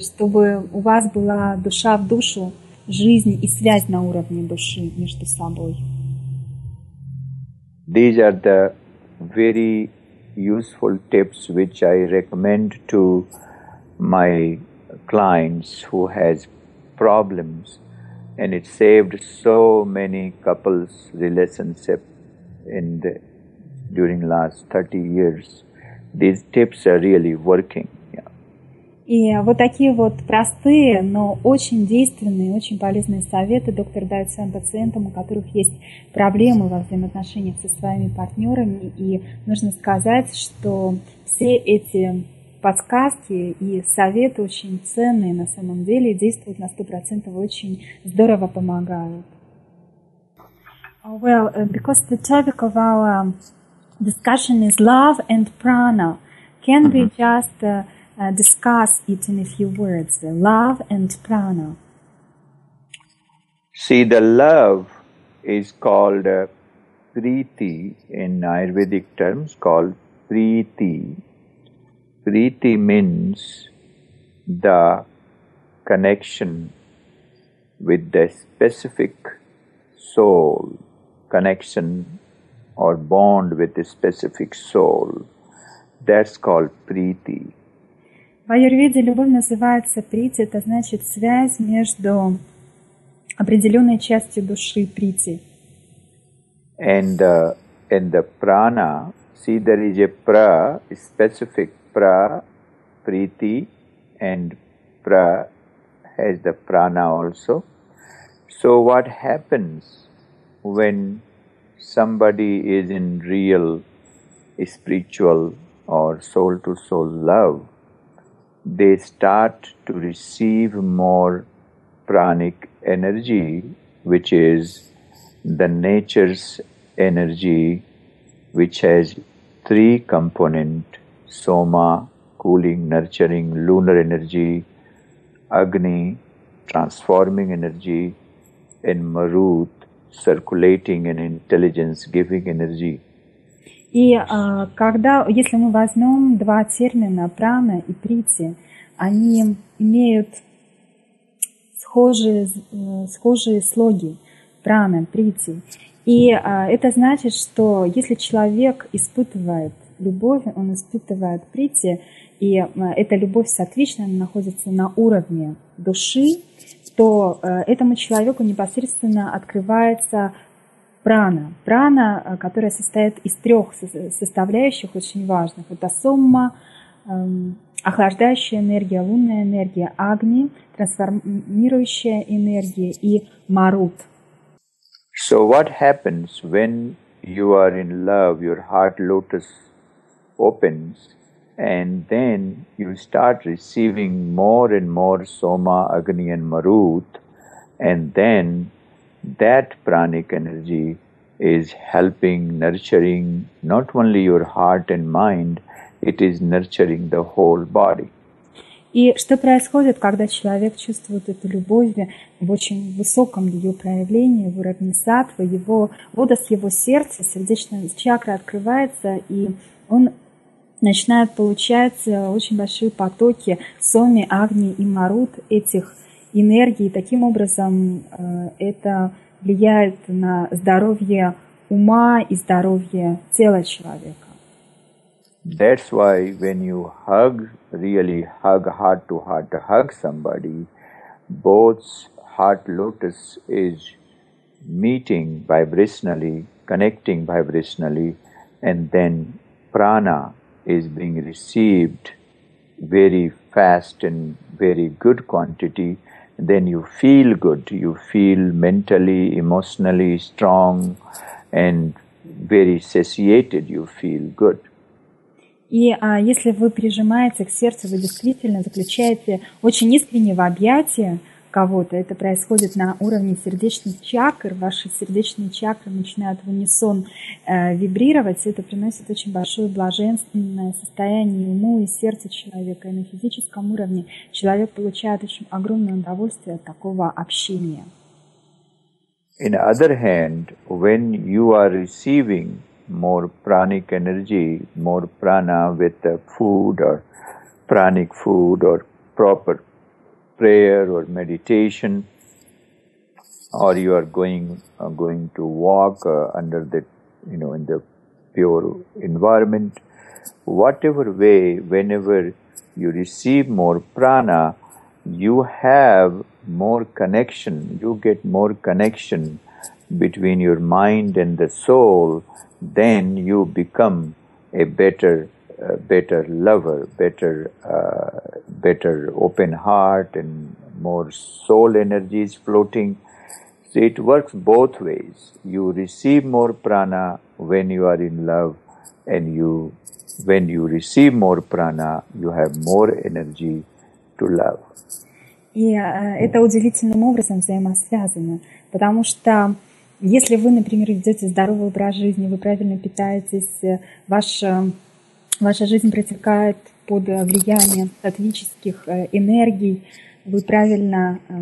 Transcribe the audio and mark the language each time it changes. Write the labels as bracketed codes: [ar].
[ru] Чтобы у вас была душа в душу, жизнь и связь на уровне души между собой. [en] These are the very useful tips which I recommend to my clients who has problems, and it saved so many couples' relationship in the during last 30 years. These tips are really working. [ru] И вот такие вот простые, но очень действенные, очень полезные советы доктор дает своим пациентам, у которых есть проблемы во взаимоотношениях со своими партнерами. И нужно сказать, что все эти подсказки и советы очень ценные на самом деле, действуют на 100%, очень здорово помогают. [en] Well, because the topic of our discussion is love and prana, can we just... discuss it in a few words, love and prana. See, the love is called priti in Ayurvedic terms, called priti. Priti means the connection with the specific soul, connection or bond with the specific soul. That's called priti. [ru] В аюрведе любовь называется прити, это значит связь между определенной частью души, прити. [en] And the prana, see there is a pra, specific pra, prity, and pra has the prana also. So what happens when somebody is in real spiritual or soul-to-soul love? They start to receive more pranic energy, which is the nature's energy, which has three component: soma, cooling, nurturing, lunar energy, agni, transforming energy, and marut, circulating and intelligence giving energy. [ru] И когда, если мы возьмем два термина, прана и прити, они имеют схожие слоги, прана, прити. И это значит, что если человек испытывает любовь, он испытывает прити, и эта любовь соответственно находится на уровне души, то этому человеку непосредственно открывается прана. Прана, которая состоит из трех составляющих очень важных. Это сомма, охлаждающая энергия, лунная энергия, агни, трансформирующая энергия и марут. [en] So what happens when you are in love, your heart lotus opens, and then you start receiving more and more soma, agni and marut, and then that pranic energy is helping, nurturing not only your heart and mind, it is nurturing the whole body. [ru] И что происходит, когда человек чувствует эту любовь в очень высоком ее проявлении, в уровне саттва, его вода с его сердца, сердечная чакра открывается, и он начинает получать очень большие потоки соми, агни и марут этих энергий. Таким образом, это влияет на здоровье ума и здоровье тела человека. [en] That's why when you hug, really hug heart to heart, hug somebody, both heart lotus is meeting vibrationally, connecting vibrationally, and then prana is being received very fast and very good quantity. Then you feel good, you feel mentally, emotionally strong and very satiated, you feel good. [ru] И если вы прижимаете к сердцу, вы действительно заключаете очень искренне в объятия кого-то, это происходит на уровне сердечных чакр, ваши сердечные чакры начинают в унисон вибрировать, и это приносит очень большое блаженственное состояние уму и сердцу человека. И на физическом уровне человек получает очень огромное удовольствие от такого общения. [en] In other hand, when you are receiving more pranic energy, more prana with the food or pranic food or proper prayer or meditation, or you are going to walk under the, you know, in the pure environment, whatever way, whenever you receive more prana, you have more connection, you get more connection between your mind and the soul, then you become a better lover, better open heart, and more soul energy is floating. So it works both ways. You receive more prana when you are in love, and when you receive more prana, you have more energy to love. [ru] И это удивительным образом взаимосвязано, потому что если вы, например, ведете здоровый образ жизни, вы правильно питаетесь, ваша жизнь протекает под влиянием сатвических энергий, вы правильно